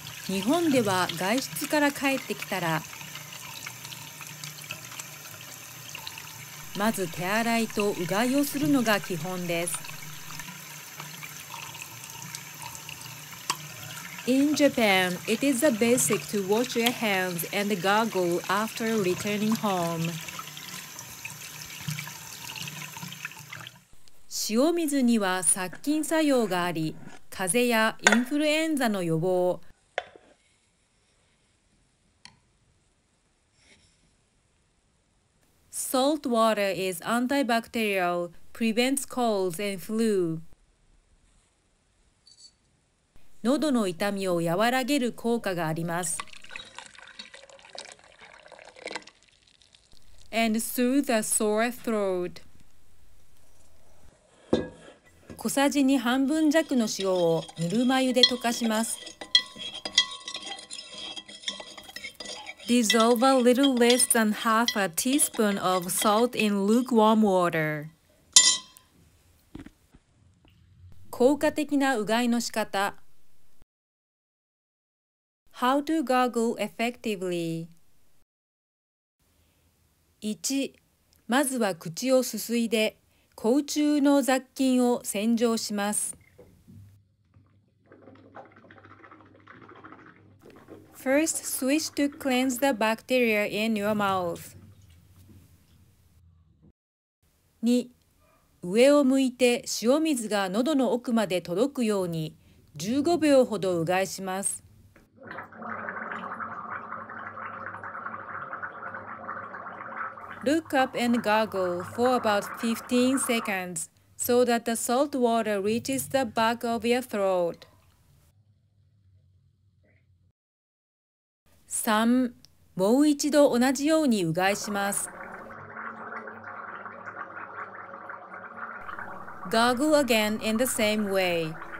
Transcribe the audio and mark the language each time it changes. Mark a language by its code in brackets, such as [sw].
[ja] 日本では外出から帰ってきたら、まず手洗いとうがいをするのが基本です。 [en] In Japan, it is a basic to wash your hands and gargle after returning home. [ja] 塩水には殺菌作用があり、風邪やインフルエンザの予防、 [en] Salt water is antibacterial, prevents colds and flu. [ja] 喉の痛みを和らげる効果があります。 [en] And soothe a sore throat. [ja] 小さじに半分弱の塩をぬるま湯で溶かします。 [en] Dissolve a little less than half a teaspoon of salt in lukewarm water. [ja] 効果的なうがいの仕方。 [en] How to gargle effectively? 1. [ja] まずは口をすすいで、口中の雑菌を洗浄します。 [en] First, switch to cleanse the bacteria in your mouth. 2. [ja] 上を向いて塩水が喉の奥まで届くように15秒ほどうがいします。 [en] Look up and gargle for about 15 seconds so that the salt water reaches the back of your throat. 3. [ja] もう一度同じようにうがいします。 [en] Gargle again in the same way.